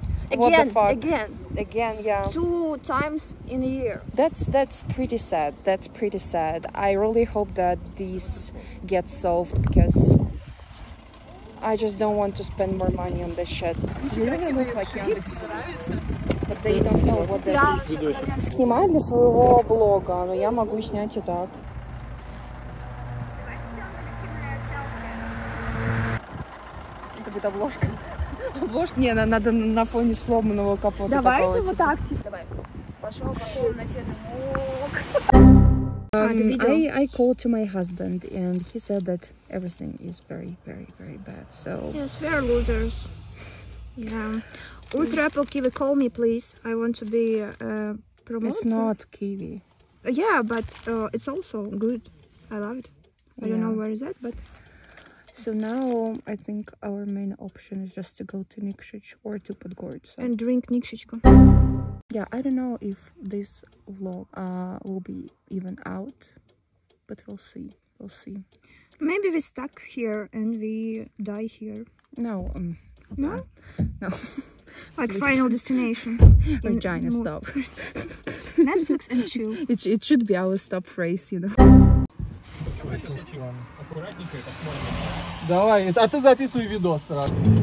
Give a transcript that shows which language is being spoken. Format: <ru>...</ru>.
<en>Again, what the fuck? Again. Again, yeah. Two times in a year. That's pretty sad. That's pretty sad. I really hope that this gets solved because I just don't want to spend more money on this shit. You really look like Yandex. But they don't know what that is.</en> <ru>Снимай для своего блога, но я могу снять и так. Это будет обложка. Обложка? Не, надо на фоне сломанного капота. Давайте такого, вот так. Давай. Пошел по комнате.</ru> <en>I called to my husband and he said that everything is very, very, very bad. So. Yes, we are losers. Yeah. Ultra Apple Kiwi, call me, please. I want to be a promoter. It's not Kiwi. Yeah, but it's also good. I love it. I don't know where is that, but. So now I think our main option is just to go to Nikšić or to Podgorica. And drink Nikšićko. Yeah, I don't know if this vlog will be even out, but we'll see. We'll see. Maybe we stuck here and we die here. No. No? No. Like final destination. Vagina stop. Netflix and chill. It should be our stop phrase, you know.</en> <ru>Давай, а ты записывай видос сразу.</ru>